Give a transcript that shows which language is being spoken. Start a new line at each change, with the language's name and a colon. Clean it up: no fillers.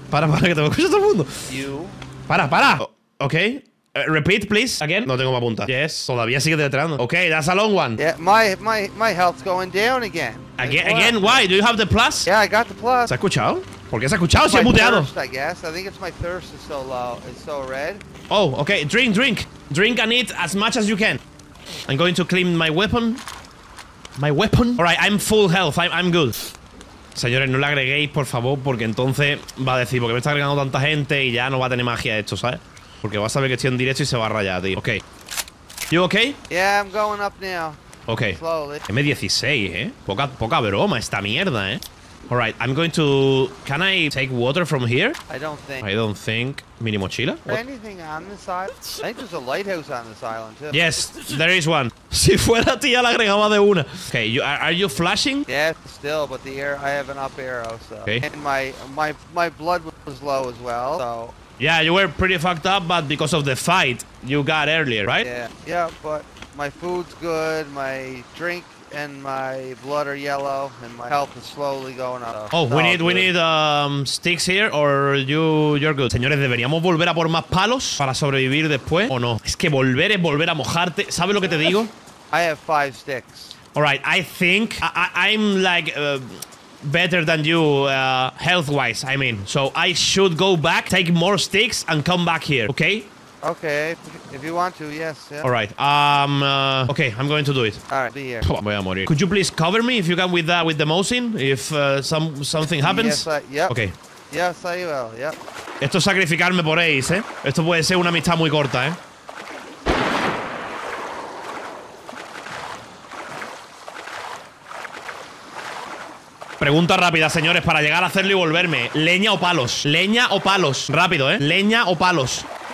Spanish: Para, que te va a escuchar todo el mundo.
English: You. Para. Okay. Repeat, please. Again.
Spanish: No tengo más punta.
English: Yes.
Spanish: Todavía sigue deletreando.
English: Okay, that's a long one. Yeah, my health's going down again. Again? Why? Do you have the plus? Yeah, I got the plus.
Spanish: ¿Se ha escuchado? ¿Por qué se ha escuchado si ha muteado?
English: I guess. I think it's my thirst is so low. It's so red. Oh, okay. Drink and eat as much as you can. I'm going to clean my weapon. My weapon. All right, I'm full health. I'm good.
Spanish: Señores, no le agreguéis, por favor, porque entonces va a decir, porque me está agregando tanta gente y ya no va a tener magia esto, ¿sabes? Porque va a saber que estoy en directo y se va a rayar, tío.
English: Ok. You okay? Yeah, I'm going up now. Okay. Slowly.
Spanish: M16, ¿eh? Poca broma esta mierda, ¿eh?
English: All right, I'm going to... Can I take water from here? I don't think.
Spanish: ¿Mini mochila?
English: Is there anything on this island? I think there's a lighthouse on this island, too. Yes, there is one.
Spanish: Si fuera tía, la agregaba de una.
English: Okay, are you flashing? Yeah, still, but the air, I have an up arrow, so... Okay. And my blood was low as well, so... Yeah, you were pretty fucked up, but because of the fight you got earlier, right? Yeah, but my food's good, my drink and my blood are yellow, and my health is slowly going up. Oh, we need sticks here, or you're good.
Spanish: Señores, ¿deberíamos volver a por más palos para sobrevivir después o no? Es que volver es volver a mojarte. ¿Sabes lo que te digo?
English: I have 5 sticks. All right, I think I'm like... better than you, health-wise, I mean. So I should go back, take more sticks, and come back here, okay? Okay, if you want to, yes. Yeah. All right, okay, I'm going to do it. All right, be here.
Spanish: Voy a morir.
English: Could you please cover me if you can with the Mosin, if something happens? Yes, okay. Yes, I will, yep.
Spanish: Esto es sacrificarme por Ace, ¿eh? Esto puede ser una amistad muy corta, ¿eh? Pregunta rápida, señores, para llegar a hacerlo y volverme. ¿Leña o palos? ¿Leña o palos? Rápido, ¿eh? ¿Leña o palos?